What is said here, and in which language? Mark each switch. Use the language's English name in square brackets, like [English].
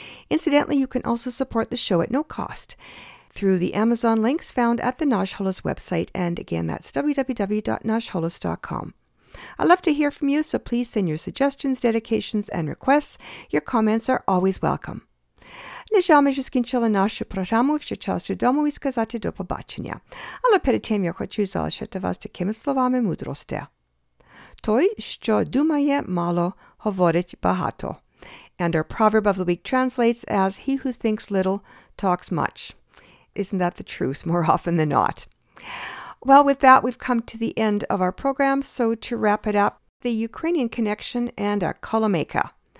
[English] Incidentally, you can also support the show at no cost through the Amazon links found at the Nash Holos website, and again, that's www.nashholos.com. I'd love to hear from you, so please send your suggestions, dedications, and requests. Your comments are always welcome. [Ukrainian] Нежами же скінчила нашу програму, що час додому і сказати до побачення. Але перед тим я хочу залишити вас такими словами мудрості. Той, що думає мало, говорить багато. [English] And our proverb of the week translates as, he who thinks little talks much. Isn't that the truth more often than not? Well, with that, we've come to the end of our program. So to wrap it up, the Ukrainian connection and a Kolomeika.